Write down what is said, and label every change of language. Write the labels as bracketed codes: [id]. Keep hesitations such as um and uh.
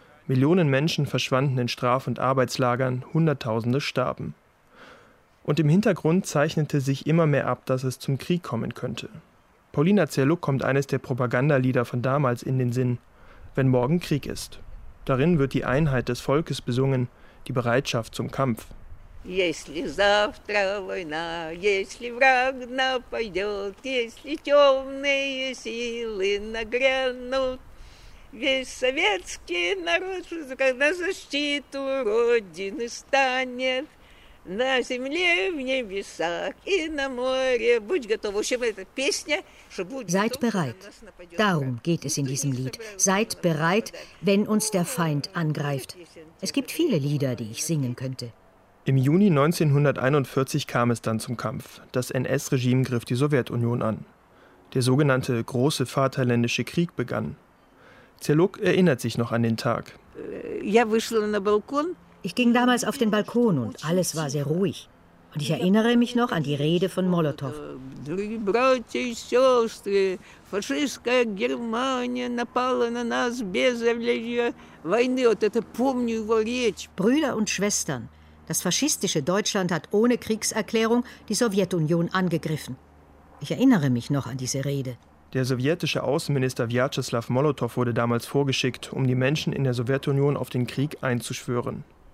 [de] Millionen Menschen verschwanden in Straf- und Arbeitslagern, Hunderttausende starben. Und im Hintergrund zeichnete sich immer mehr ab, dass es zum Krieg kommen könnte. Paulina Zerluck kommt eines der Propagandalieder von damals in den Sinn, wenn morgen Krieg ist. Darin wird die Einheit des Volkes besungen, die Bereitschaft zum Kampf. [ru] Если завтра война, если враг нападет, если темные силы нагрянут, весь советский народ на защиту Родины станет. На земле, в небесах и на море. Будь готова. В общем, эта песня, что будет [de] Seid bereit. Darum geht es in diesem Lied. Seid bereit, wenn uns der Feind angreift. Es gibt viele Lieder, die ich singen könnte. Im Juni 1941 kam es dann zum Kampf. Das NS-Regime griff die Sowjetunion an. Der sogenannte Große Vaterländische Krieg begann. Zerluk erinnert sich noch an den Tag. [ru] Я вышла на балкон. [de] Ich ging damals auf den Balkon und alles war sehr ruhig. Und ich erinnere mich noch an die Rede von Molotow. [ru] Дорогие братья и сестры, фашистская Германия напала на нас без объявления войны. Вот это помню его речь. [de] Brüder und Schwestern, das faschistische Deutschland hat ohne Kriegserklärung die Sowjetunion angegriffen. Ich erinnere mich noch an diese Rede. Der sowjetische Außenminister Vyacheslav Molotow wurde damals vorgeschickt, um die Menschen in der Sowjetunion auf den Krieg einzuschwören.